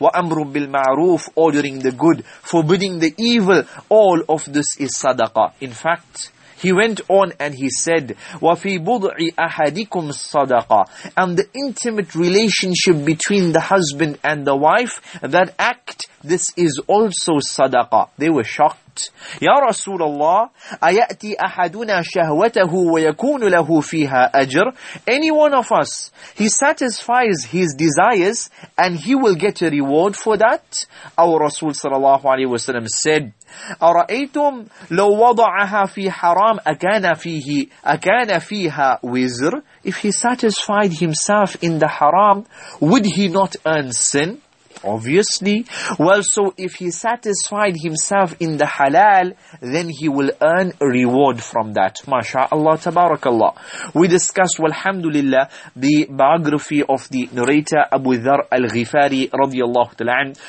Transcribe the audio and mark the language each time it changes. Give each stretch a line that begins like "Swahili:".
English: Wa amrun bil ma'roof, ordering the good, forbidding the evil, all of this is sadaqah. In fact, he went on and he said,
Arabic: وَفِي بُضْعِ أَحَدِكُمْ صَدَقَةٌ.
English: And the intimate relationship between the husband and the wife, that act, this is also sadaqah. They were shocked.
Arabic: Ya Rasulullah, أَيَأْتِ أَحَدُنَا شَهْوَتَهُ وَيَكُونُ لَهُ فِيهَا أَجْرٌ.
English: Any one of us, he satisfies his desires and he will get a reward for that. Our Rasul sallallahu alaihi wasallam said,
Arabic: أَرَأَيْتُمْ لَوْ وَضَعَهَا فِي حَرَامٍ أَكَانَ فِيهَا وِزْرٌ.
English: If he satisfied himself in the haram, would he not earn sin? Obviously. Well, so if he satisfied himself in the halal, then he will earn a reward from that. MashaAllah, tabarakallah. We discussed, walhamdulillah, the biography of the narrator Abu Dharr al-Ghifari radiyallahu ta'ala.